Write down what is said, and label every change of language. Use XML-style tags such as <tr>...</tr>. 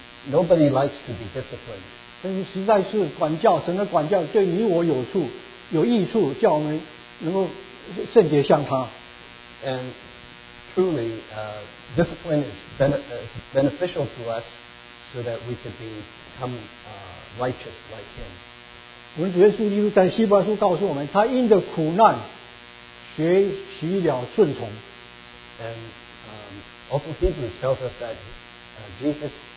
<en>Nobody likes to be disciplined.</en> <zh>但是实在是管教，神的管教对你我有处，有益处，叫我们能够圣洁像他。</zh> <en>And truly, discipline is beneficial to us so that we could become righteous like him.</en> <zh>我们主耶稣基督在希伯来书告诉我们，他因着苦难学习了顺从。</zh> <en>And also Hebrews tells us that Jesus.</en>